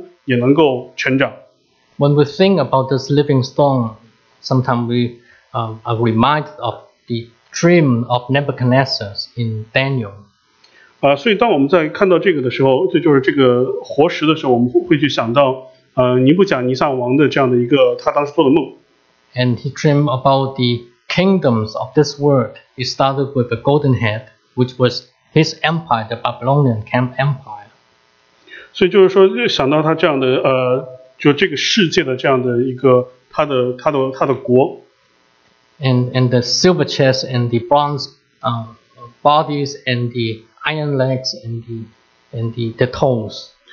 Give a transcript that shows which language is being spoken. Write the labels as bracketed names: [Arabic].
[Chinese] 也正因为是活石，所以他在他上面所建造的这样的建筑，也就是我们基督徒这样的灵，就是说也建造的这些灵工也能够成长。 [English] When we think about this living stone, sometimes we are reminded of the dream of Nebuchadnezzar in Daniel. [Chinese] 所以当我们在看到这个的时候，这就是这个活石的时候，我们会去想到尼布甲尼撒王的这样的一个他当时做的梦。 [English] And he dreamed about the kingdoms of this world. It started with a golden head, which was his empire, the Babylonian camp empire. [Chinese] 所以就是说，想到他这样的，就这个世界的这样的一个他的国。 [English] And the silver chest and the bronze bodies and the iron legs and the toes.